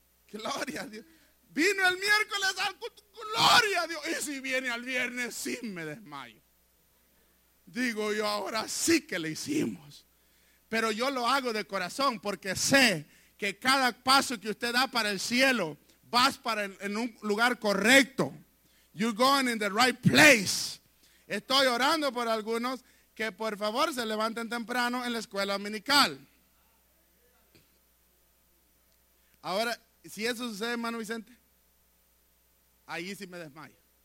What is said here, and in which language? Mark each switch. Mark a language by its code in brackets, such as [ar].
[es] Gloria a Dios. Vino el miércoles al culto, gloria a Dios. Y si viene al viernes, sí me desmayo. Digo yo, ahora sí que le hicimos. Pero yo lo hago de corazón porque sé que cada paso que usted da para el cielo, vas para en un lugar correcto. [en] You're going in the right place. [es] Estoy orando por algunos que por favor se levanten temprano en la escuela dominical. Ahora, si eso sucede, hermano Vicente, ahí sí me desmayo.